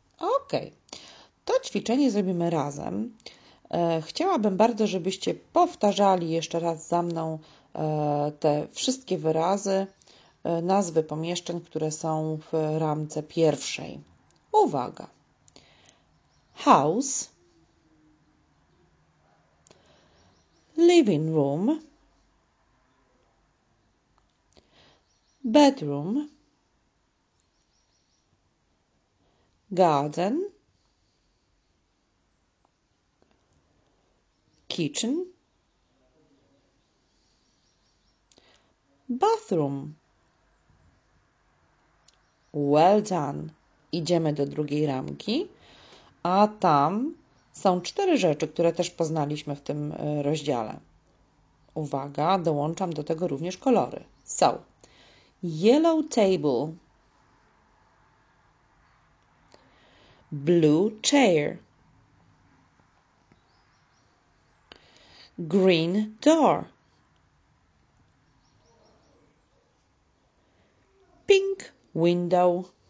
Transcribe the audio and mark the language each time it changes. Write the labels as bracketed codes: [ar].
[pl] Ok, to ćwiczenie zrobimy razem. Chciałabym bardzo, żebyście powtarzali jeszcze raz za mną te wszystkie wyrazy, nazwy pomieszczeń, które są w ramce pierwszej. Uwaga! [en] House, living room, bedroom, garden, kitchen, bathroom. Well done. [pl] Idziemy do drugiej ramki, a tam są cztery rzeczy, które też poznaliśmy w tym rozdziale. Uwaga, dołączam do tego również kolory. [en] So, yellow table, blue chair, green door, pink window.